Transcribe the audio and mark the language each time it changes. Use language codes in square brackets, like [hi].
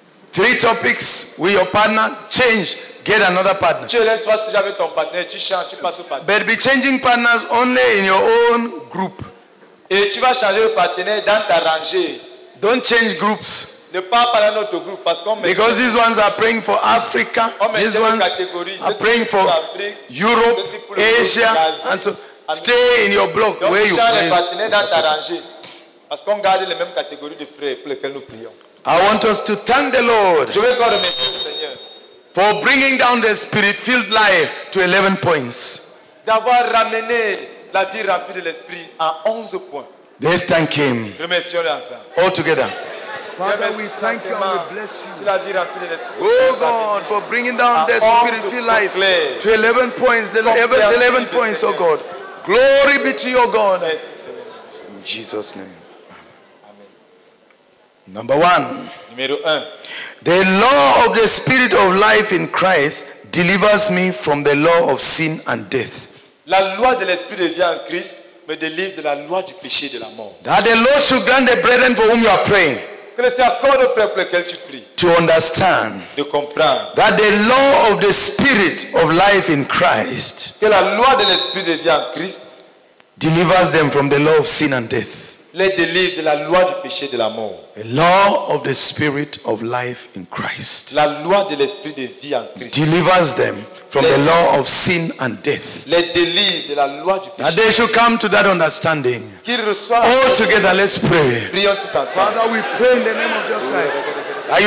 [en] Three topics with your partner, change, get another partner. But be changing partners only in your own group. [fr] Et tu vas changer le partenaire dans ta rangée. [en] Don't change groups. [fr] Ne pas parler à notre groupe parce qu'on [en] met. Because these ones are praying for Africa. These ones are praying for Europe, Asia, and so stay in your block where you pray. [fr] Donc change le partenaire dans ta rangée parce qu'on garde les mêmes catégories de frères pour lesquels nous prions. [en] I want us to thank the Lord for bringing down the spirit-filled life to 11 points. [fr] D'avoir ramené la vie remplie de l'esprit à 11 points. [en] Let's thank him. [fr] Remercions-le ensemble. [en] All together. Father, we thank you and we bless you. [fr] La vie remplie de l'esprit. [en] Oh God, for bringing down the spirit-filled life to 11 points. The 11 points, oh God. Glory be to your God. In Jesus' name. Number one. [fr] Numéro un. [en] The law of the spirit of life in Christ delivers me from the law of sin and death. [fr] La loi de l'esprit de vie en Christ me délivre de la loi du péché et de la mort. [en] That the Lord should grant the brethren for whom you are praying. [fr] Que le Seigneur accorde aux frères pour lesquels tu pries. [en] To understand. [fr] De comprendre. [en] That the law of the spirit of life in Christ. [fr] Que la loi de l'esprit de vie en Christ [en] delivers them from the law of sin and death. [fr] Les délivre de la loi du péché et de la mort. [en] The law of the spirit of life in Christ. [fr] La loi de l'esprit de vie en Christ. [en] Delivers them from the law of sin and death. [fr] Les délivre de la loi du péché. [en] That they should come to that understanding. [fr] Qu'ils reçoivent. [en] All together, let's pray. [fr] Prions tous ensemble. [en] Father, we pray in the name of Jesus Christ.